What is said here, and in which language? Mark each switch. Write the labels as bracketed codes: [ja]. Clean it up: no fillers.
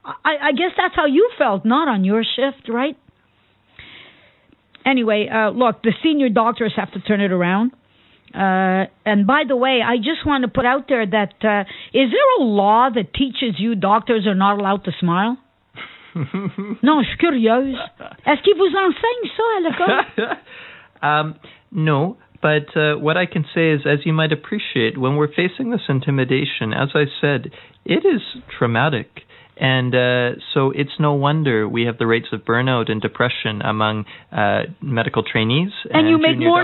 [en] I guess that's how you felt, not on your shift, right? Anyway, look, the senior doctors have to turn it around. And by the way, I just want to put out there that is there a law that teaches you doctors are not allowed to smile? [fr] Non, je suis curieuse. Est-ce qu'ils vous enseignent ça à l'école? [en] No. But what I can say is, as you might appreciate, when we're facing this intimidation, as I said, it is traumatic. And so it's no wonder we have the rates of burnout and depression among medical trainees. And you make more